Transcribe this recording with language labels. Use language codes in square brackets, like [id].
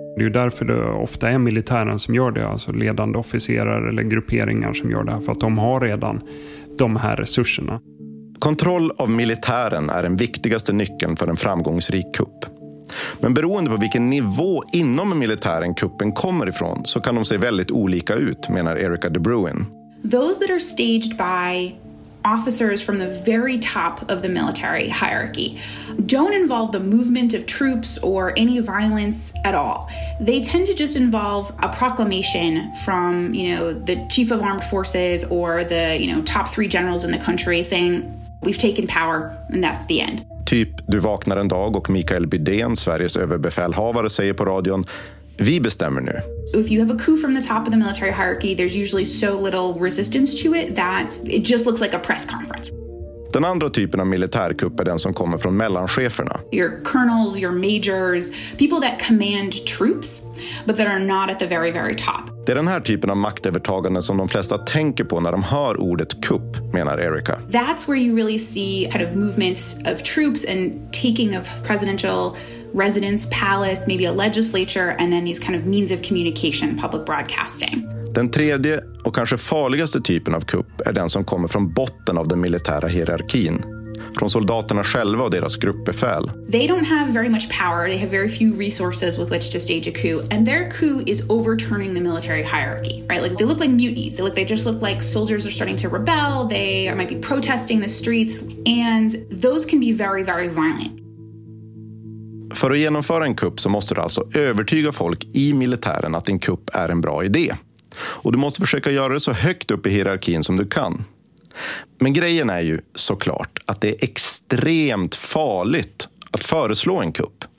[sv] Det är därför det ofta är militären som gör det, alltså ledande officerare eller grupperingar som gör det här, för att de har redan de här resurserna. Kontroll av militären är den viktigaste nyckeln för en framgångsrik kupp. Men beroende på vilken nivå inom militären kuppen kommer ifrån så kan de se väldigt olika ut, menar Erica De Bruin. [en] Those that are staged by officers from the very top of the military hierarchy don't involve the movement of troops or any violence at all. They tend to just involve a proclamation from, you know, the chief of armed forces or the, you know, top three generals in the country saying we've taken power and that's the end. [sv] Typ, du vaknar en dag och Mikael Bydén, Sveriges överbefälhavare, säger på radion: vi bestämmer nu. [en] If you have a coup from the top of the military hierarchy, there's usually so little resistance to it that it just looks like a press conference. [sv] Den andra typen av militärkupp är den som kommer från mellancheferna. [en] Your colonels, your majors, people that command troops, but that are not at the very, very top. [sv] Det är den här typen av maktövertagande som de flesta tänker på när de hör ordet kupp, menar Erica. [en] That's where you really see kind of movements of troops and taking of presidential residence, palace, maybe a legislature, and then these kind of means of communication, public broadcasting. [sv] Den tredje och kanske farligaste typen av kupp är den som kommer från botten av den militära hierarkin, från soldaterna själva och deras gruppbefäl. [en] They don't have very much power. They have very few resources with which to stage a coup, and their coup is overturning the military hierarchy, right? Like they look like mutinies. They just look like soldiers are starting to rebel. They might be protesting the streets, and those can be very, very violent. [sv] För att genomföra en kupp så måste du alltså övertyga folk i militären att en kupp är en bra idé. Och du måste försöka göra det så högt upp i hierarkin som du kan. Men grejen är ju såklart att det är extremt farligt att föreslå en kupp.